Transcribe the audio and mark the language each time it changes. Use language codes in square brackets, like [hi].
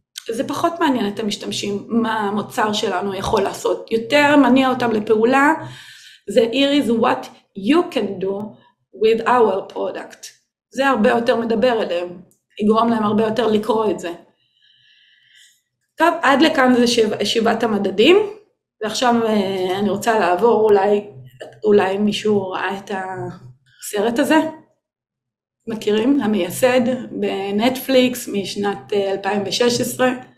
[he] זה פחות מעניין את המשתמשים, מה המוצר שלנו יכול לעשות. יותר מניע אותם לפעולה, זה [en] here is what you can do with our product. [he] זה הרבה יותר מדבר אליהם, יגרום להם הרבה יותר לקרוא את זה. טוב, עד לכאן זה שבעת המדדים, ועכשיו אני רוצה לעבור, אולי מישהו ראה את ה... הסרט הזה, מכירים? המייסד בנטפליקס משנת 2016.